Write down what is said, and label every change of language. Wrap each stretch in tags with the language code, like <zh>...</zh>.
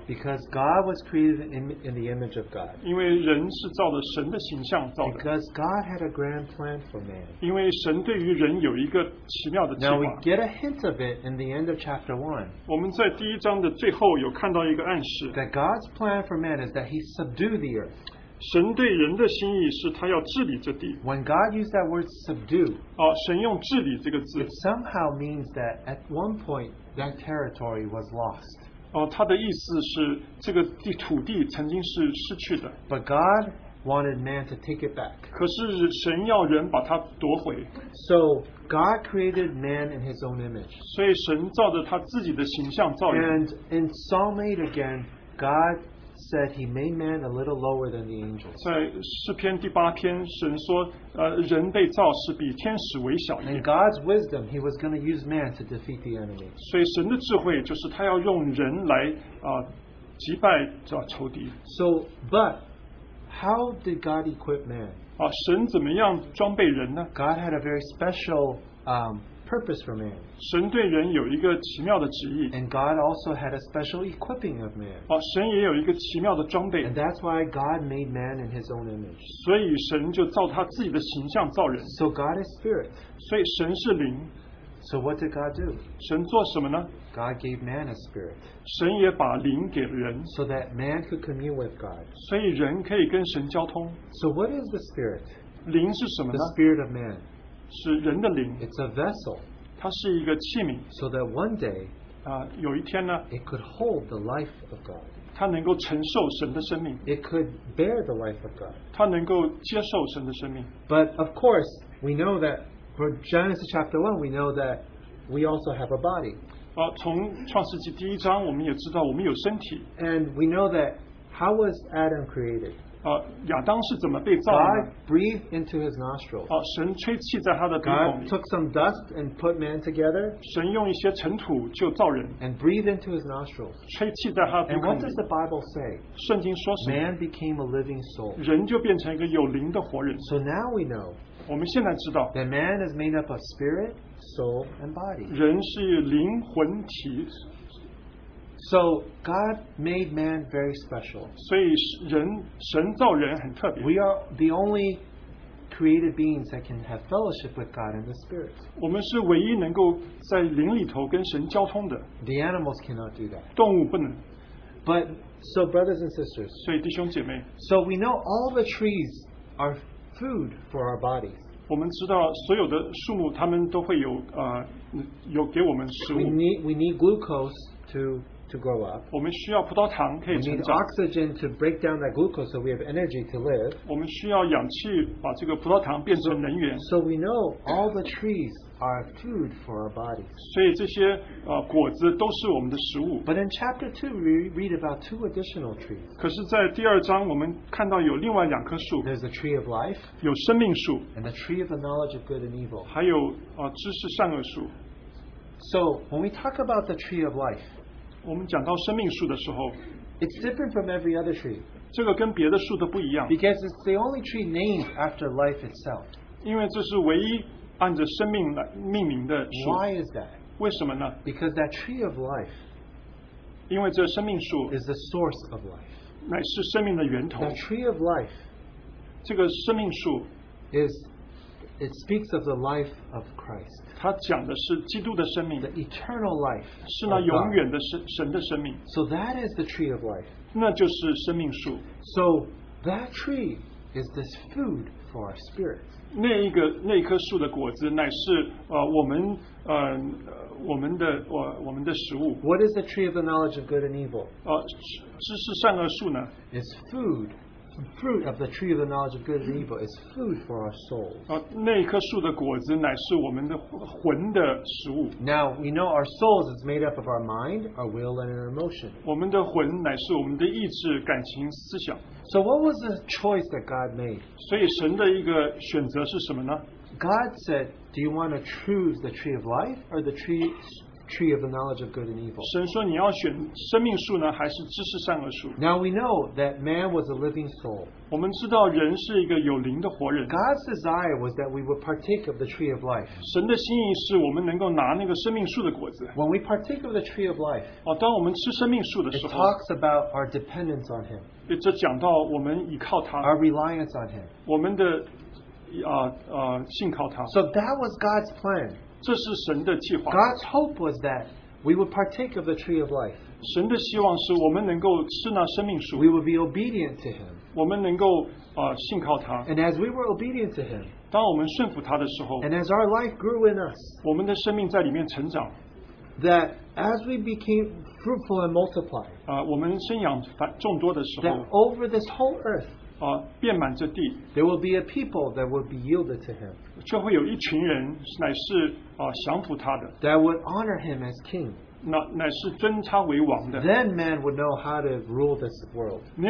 <en>because God was created in the image of God.</en> <zh>因为人是照着神的形象造的,</zh> <en>because God had a grand plan for man.</en> <zh>因为神对于人有一个奇妙的计划。</zh> <en>Now we get a hint of it in the end of chapter 1.</en> <zh>我们在第一章的最后有看到一个暗示,</zh> <en>that God's plan for man is that he subdued the earth.</en> <zh>神对人的心意是他要治理这地。</zh> <en>When God used that word subdue,</en> <zh>哦, 神用治理这个字,</zh> <en>it somehow means that at one point that territory was lost.</en> <zh>哦, 他的意思是这个土地曾经是失去的。</zh> <en>But God wanted man to take it back.</en> <zh>可是神要人把它夺回。</zh> <en>So God created man in his own image.</en> <zh>所以神照着他自己的形象造人。</zh> <en>And in Psalm 8 again, God said he made man a little lower than the angels.</en> <zh>在诗篇第八篇，神说， 人被造是比天使微小一点。</zh> <en>In God's wisdom, he was going to use man to defeat the enemy.</en> <zh>所以神的智慧就是他要用人来， 击败仇敌。</zh> <en>So, but how did God equip man?</en> <zh>啊, 神怎么样装备人呢？</zh> <en>God had a very special purpose for man.</en> <zh>神对人有一个奇妙的旨意。</zh> <en>And God also had a special equipping of man.</en> <zh>哦, 神也有一个奇妙的装备。</zh> <en>And that's why God made man in his own image.</en> <zh>所以神就照他自己的形象造人。</zh> <en>So God is spirit.</en> <zh>所以神是灵。</zh> <en>So what did God do?</en> <zh>神做什么呢?</zh> <en>God gave man a spirit.</en> <zh>神也把灵给人。</zh> <en>So that man could commune with God.</en> <zh>所以人可以跟神交通。</zh> <en>So what is the spirit?</en> <zh>灵是什么呢?</zh> <en>The spirit of man.</en> <zh>是人的灵,</zh> <en>it's a vessel.</en> <zh>它是一个器皿,</zh> <en>so that one day,</en> <zh>有一天呢,</zh> <en>it could hold the life of God.</en> <zh>它能够承受神的生命,</zh> <en>it could bear the life of God.</en> <zh>它能够接受神的生命.</zh> <en>But of course, we know that for Genesis chapter 1, we know that we also have a body.</en> <zh>从创世纪第一章我们也知道我们有身体.</zh> <en>And we know that how was Adam created?</en> <zh>亚当是怎么被造的呢?</zh> <en>God breathed into his nostrils.</en> <zh>神吹气在他的鼻孔里。</zh> <en>God took some dust and put man together.</en> <zh>神用一些尘土就造人。</zh> <en>And breathed into his nostrils.</en> <zh>吹气在他的鼻孔里。</zh> <en>And what does the Bible say?</en> <zh>圣经说什么?</zh> <en>Man became a living soul.</en> <zh>人就变成一个有灵的活人。</zh> <en>So now we know.</en> <zh>我们现在知道,</zh> <en>that man is made up of spirit, soul, and body.</en> <zh>人是灵魂体。</zh> <en>So God made man very special.</en> <zh>所以神造人很特别。</zh> <en>We are the only created beings that can have fellowship with God in the spirit.</en> <zh>我们是唯一能够在灵里头跟神交通的。</zh> <en>The animals cannot do that.</en> <zh>动物不能。</zh> <en>But so brothers and sisters.</en> <zh>所以弟兄姐妹。</zh> <en>So we know all the trees are food for our bodies.</en> <zh>我们知道所有的树木它们都会有, 有给我们食物。</zh> <en>We need glucose to grow up.</en> <zh>我们需要葡萄糖可以成长。</zh> <en>We need oxygen to break down that glucose so we have energy to live.</en> <zh>我们需要氧气把这个葡萄糖变成能源。</zh> <en>So we know all the trees are food for our bodies.</en> <zh>所以这些, 果子都是我们的食物。</zh> <en>But in chapter 2, we read about two additional trees.</en> <zh>可是在第二章我们看到有另外两棵树。</zh> <en>There's the tree of life.</en> <zh>有生命树。</zh> <en>And the tree of the knowledge of good and evil.</en> <zh>还有, 知识善恶树。</zh> <en>So when we talk about the tree of life,</en> <zh>我们讲到生命树的时候,</zh> <en>it's different from every other tree.</en> <zh>这个跟别的树都不一样,</zh> <en>because it's the only tree named after life itself.</en> <zh>因为这是唯一按着生命来命名的树。</zh> <en>Why is that?</en> <zh>为什么呢?</zh> <en>Because that tree of life,</en> <zh>因为这生命树,</zh> <en>is the source of life.</en> <zh>乃是生命的源头。</zh> <en>The tree of life,</en> <zh>这个生命树,</zh> <en>is It speaks of the life of Christ.</en> <zh>它讲的是基督的生命,</zh> <en>the eternal life.</en> <zh>是那永远的神的生命,</zh> <en>so that is the tree of life.</en> <zh>那就是生命树.</zh> <en>So that tree is this food for our spirit.</en> <zh>那棵树的果子乃是我们的食物.</zh> <en>What is the tree of the knowledge of good and evil?</en> <zh>知识善恶树呢?</zh> <en>It's food. Fruit of the tree of the knowledge of good and evil is food for our souls.</en> <zh>那一棵树的果子乃是我们的魂的食物.</zh> <en>Now, we know our souls is made up of our mind, our will, and our emotion.</en> <zh>我们的魂乃是我们的意志、感情、思想.</zh> <en>So what was the choice that God made?</en> <zh>所以神的一个选择是什么呢?</zh> <en>God said, do you want to choose the tree of life or the tree of the knowledge of good and evil.</en> <zh>神说你要选生命树呢, 还是知识善恶树?</zh> <en>Now we know that man was a living soul.</en> <zh>我们知道人是一个有灵的活人.</zh> <en>God's desire was that we would partake of the tree of life.</en> <zh>神的心意是我们能够拿那个生命树的果子.</zh> <en>When we partake of the tree of life,</en> <zh>哦, 当我们吃生命树的时候,</zh> <en>it talks about our dependence on him.</en> <zh>这讲到我们依靠他,</zh> <en>our reliance on him.</en> <zh>我们的, 信靠他.</zh> <en>So that was God's plan. God's hope was that we would partake of the tree of life.</en> <zh>神的希望是我们能够吃那生命树.</zh> <en>We would be obedient to him.</en> <zh>我们能够, 信靠他.</zh> <en>And as we were obedient to him,</en> <zh>当我们顺服他的时候,</zh> <en>and as our life grew in us,</en> <zh>我们的生命在里面成长,</zh> <en>that as we became fruitful and multiplied,</en> <zh>我们生养繁众多的时候,</zh> <en>that over this whole earth,</en> <zh>遍满这地,</zh> <en>there will be a people that will be yielded to him.</en> <zh>就会有一群人乃是, 降服他的,</zh> <en>that would honor him as king.</en> <zh>乃是尊他为王的,</zh> <en>then man would know how to rule this world.</en>